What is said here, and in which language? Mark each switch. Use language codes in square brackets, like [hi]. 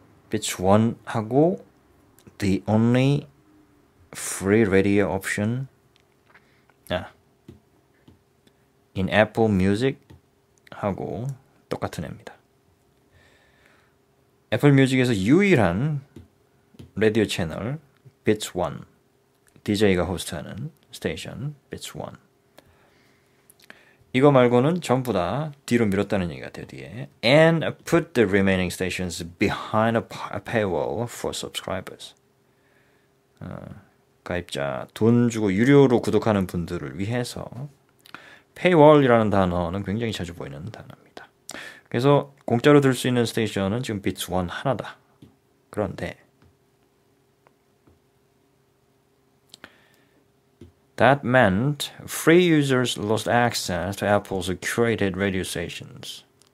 [en] Bits 1 하고 the only free radio option 아, in Apple Music [ko] 하고 똑같은 애입니다. 애플뮤직에서 유일한 라디오 채널 Bits 1 DJ가 호스트하는 스테이션 Bits 1 이거 말고는 전부 다 뒤로 밀었다는 얘기가 돼요, 뒤에. [en] And put the remaining stations behind a paywall for subscribers. [ko] 가입자, 돈 주고 유료로 구독하는 분들을 위해서 페이월이라는 단어는 굉장히 자주 보이는 단어입니다. 그래서 공짜로 들수 있는 스테이션은 지금 비츠 1 하나다. [en] 그런데 That meant free users lost access to Apple's curated radio stations.